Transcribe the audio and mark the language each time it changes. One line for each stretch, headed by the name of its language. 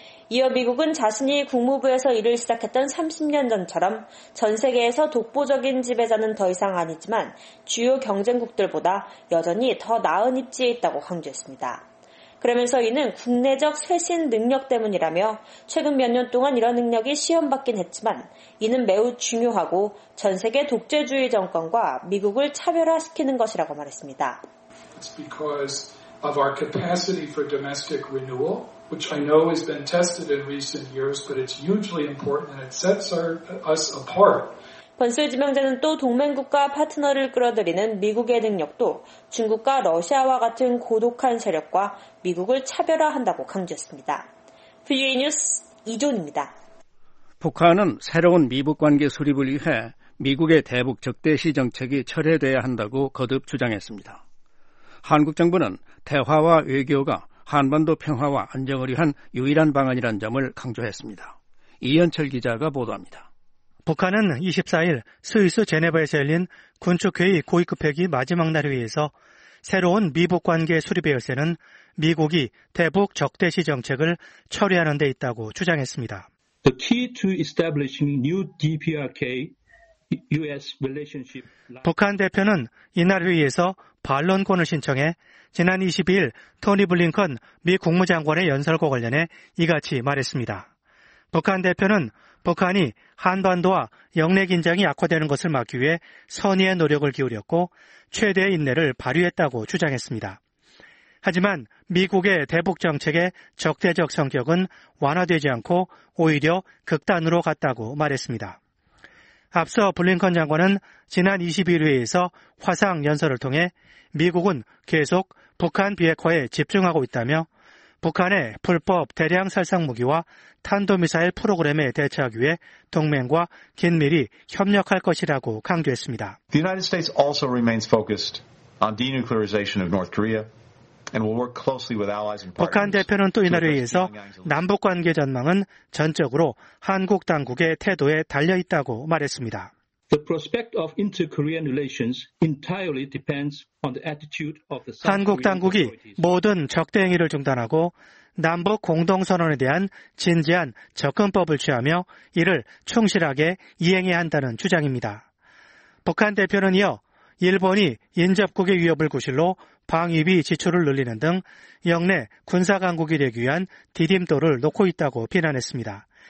Korean: 이어 미국은 자신이 국무부에서 일을 시작했던 30년 전처럼 전 세계에서 독보적인 지배자는 더 이상 아니지만 주요 경쟁국들보다 여전히 더 나은 입지에 있다고 강조했습니다. 그러면서 이는 국내적 쇄신 능력 때문이라며 최근 몇 년 동안 이런 능력이 시험받긴 했지만 이는 매우 중요하고 전 세계 독재주의 정권과 미국을 차별화시키는 것이라고 말했습니다.
English: It's because of our capacity for domestic renewal. Which I know has been tested in recent years, but it's hugely important and it sets us apart.
Korean: 번스 지명자는 또 동맹국과 파트너를 끌어들이는 미국의 능력도 중국과 러시아와 같은 고독한 세력과 미국을 차별화한다고 강조했습니다. VOA 뉴스 이존입니다. 북한은 새로운 미북 관계 수립을 위해 미국의 대북 적대시 정책이 철회돼야 한다고 거듭 주장했습니다. 한국 정부는 대화와 외교가 한반도 평화와 안정을 위한 유일한 방안이란 점을 강조했습니다. 이현철 기자가 보도합니다. 북한은 24일 스위스 제네바에서 열린 군축회의 고위급 회의 마지막 날을 위해서 새로운 미북 관계 수립의 열쇠는 미국이 대북 적대시 정책을 철회하는 데 있다고 주장했습니다.
English: The key to establishing new DPRK US relationship.
Korean: 북한 대표는 이날 회의에서 반론권을 신청해 지난 22일 토니 블링컨 미 국무장관의 연설과 관련해 이같이 말했습니다. 북한 대표는 북한이 한반도와 영내 긴장이 악화되는 것을 막기 위해 선의의 노력을 기울였고 최대의 인내를 발휘했다고 주장했습니다. 하지만 미국의 대북 정책의 적대적 성격은 완화되지 않고 오히려 극단으로 갔다고 말했습니다. 앞서 블링컨 장관은 지난 22일 회의에서 화상 연설을 통해 미국은 계속 북한 비핵화에 집중하고 있다며 북한의 불법 대량 살상 무기와 탄도미사일 프로그램에 대처하기 위해 동맹과 긴밀히 협력할 것이라고 강조했습니다.
English: The United States also remains focused on denuclearization of North Korea.
Korean: 북한 대표는 또 이날 회의에서 남북관계 전망은 전적으로 한국 당국의 태도에 달려있다고 말했습니다.
English: The prospect of inter-Korean relations entirely depends on the attitude of the South Korean
Korean: 한국 당국이 모든 적대 행위를 중단하고 남북 공동선언에 대한 진지한 접근법을 취하며 이를 충실하게 이행해야 한다는 주장입니다. 북한 대표는 이어 일본이 인접국의 위협을 구실로 방위비 지출을 늘리는 등 역내 군사강국이 되기 위한 디딤돌을 놓고 있다고 비난했습니다.